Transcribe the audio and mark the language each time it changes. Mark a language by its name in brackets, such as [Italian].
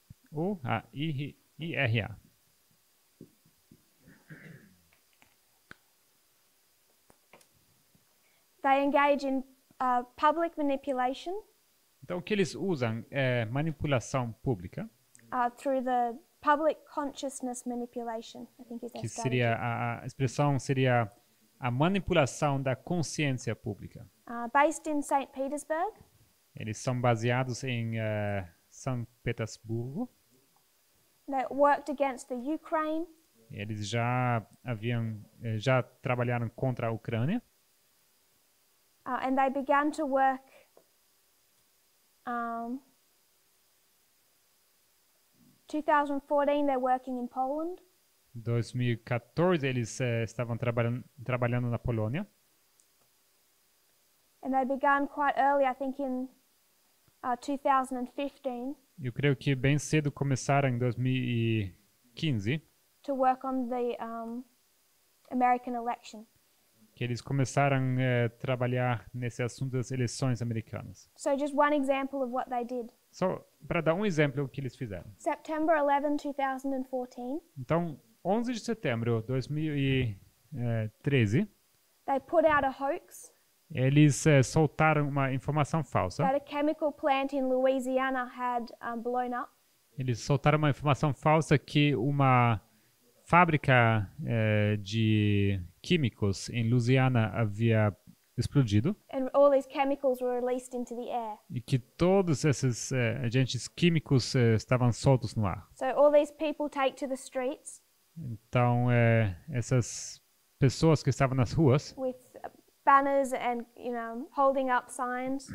[Portuguese] Ou a IRA. [English] They engage in public manipulation. [Portuguese] Então, o que eles usam é manipulação pública. [English] Through the public consciousness manipulation, I think is their strategy. [Portuguese] Que seria a expressão seria a manipulação da consciência pública. [English] Based in St. Petersburg. [Portuguese] Eles são baseados em São Petersburgo. [English] They worked against the Ukraine. [Portuguese] Eles já haviam, já trabalharam contra a Ucrânia. [English] And they began to work In 2014, they're working in Poland. [Portuguese] 2014, eles estavam trabalhando na Polônia. [English] And they began quite early, I think in 2015. [Portuguese] Eu creio que bem cedo começaram em 2015. [English] To work on the American election. [Portuguese] Que eles começaram a trabalhar nesse assunto das eleições americanas. [English] So just one example of what they did. [Portuguese] Só para dar um exemplo do que eles fizeram. [English] September 11, 2014. [Portuguese] Então, 11 de setembro de 2013. [English] They put out a hoax. [Portuguese] Eles soltaram uma informação falsa. [English] That a chemical plant in Louisiana had blown up. [Portuguese] Eles soltaram uma informação falsa que uma fábrica de químicos em Louisiana havia explodido. [English] And all these chemicals were released into the air. [Portuguese] E que todos esses agentes químicos estavam soltos no ar. [English] So all these people take to the streets. [Portuguese] Então essas pessoas que estavam nas ruas. [English] With banners and, you know, holding up signs.